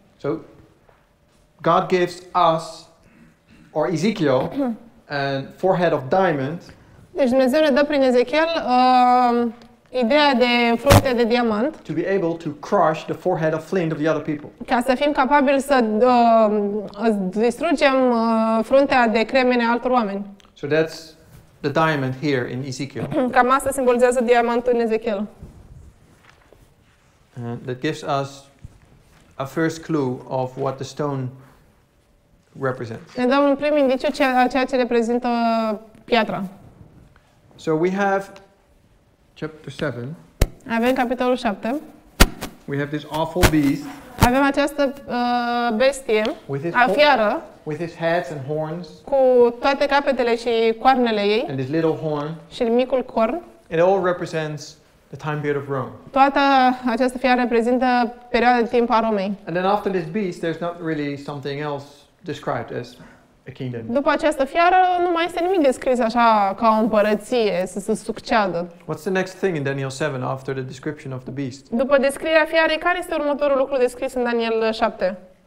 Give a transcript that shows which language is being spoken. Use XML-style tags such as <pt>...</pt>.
<en>So God gives us or Ezekiel and forehead of diamond.</en> <ro>Deci Dumnezeu ne dă prin Ezechiel ideea de frunte de diamant.</ro> <en>To be able to crush the forehead of flint of the other people.</en> <ro>Ca să fim capabili să distrugem fruntea de cremene altor oameni.</ro> <en>So that's the diamond here in Ezekiel.</en> <ro>Cam asta simbolizează diamantul în Ezechiel.</ro> <en>And that gives us a first clue of what the stone represents.</en> <ro>Ne dăm un prim indiciu ceea ce reprezintă piatra.</ro> <en>So we have chapter 7.</en> <ro>Avem capitolul 7.</ro> <en>We have this awful beast.</en> <ro>Avem această bestie,</ro> <en>fiară. With his heads and horns.</en> <ro>Cu toate capetele și coarnele ei.</ro> <en>And this little horn.</en> <ro>Și micul corn.</ro> <en>It all represents the time period of Rome.</en> <ro>Toată această fiară reprezintă perioada de timp a Romei.</ro> <en>And then after this beast, there's not really something else described as a kingdom.</en> <ro>După această fiară, nu mai este nimic descris așa ca o împărăție să se succeadă.</ro> <en>What's the next thing in Daniel 7 after the description of the beast?</en> <ro>După descrierea fiarei, care este următorul lucru descris în Daniel 7?</ro>